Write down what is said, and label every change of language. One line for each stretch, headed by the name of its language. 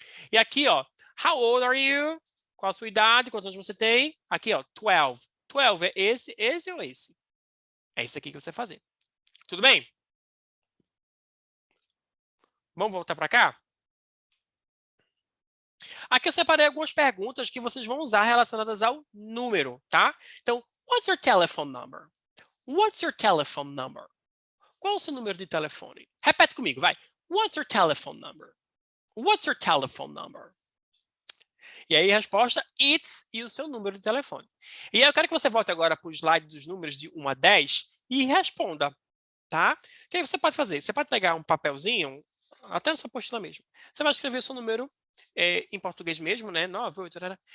Portuguese: E aqui, ó,
English: how old are you?
Portuguese: Qual a sua idade? Quantos anos você tem? Aqui, ó, 12. 12 é esse ou esse? É esse aqui que você vai fazer. Tudo bem? Vamos voltar para cá? Aqui eu separei algumas perguntas que vocês vão usar relacionadas ao número, tá?
English: Então, what's your telephone number? What's your telephone number?
Portuguese: Qual o seu número de telefone? Repete comigo, vai.
English: What's your telephone number? What's your telephone number?
Portuguese: E aí a resposta, it's e o seu número de telefone. E aí eu quero que você volte agora para o slide dos números de 1 a 10 e responda, tá? O que você pode fazer? Você pode pegar um papelzinho, até na sua apostila mesmo. Você vai escrever o seu número em português mesmo, né? 9, 8, etc.